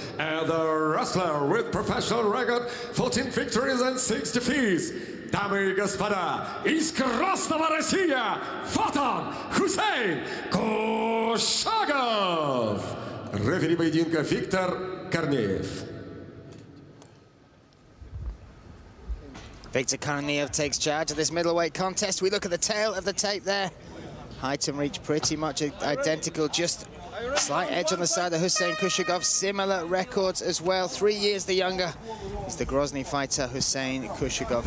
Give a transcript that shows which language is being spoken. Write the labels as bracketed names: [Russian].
[English] And the wrestler with professional record, 14 victories and 6 defeats. [Russian] Дамы и господа, из Красного Россия, вот он, Хусейн Кушагов! Рефери поединка Виктор Корнеев. [English] Victor Korneev takes charge of this middleweight contest. We look at the tail of the tape there. Height and reach pretty much identical, just slight edge on the side of Husein Kushagov. Similar records as well. 3 years the younger is the Grozny fighter, Husein Kushagov.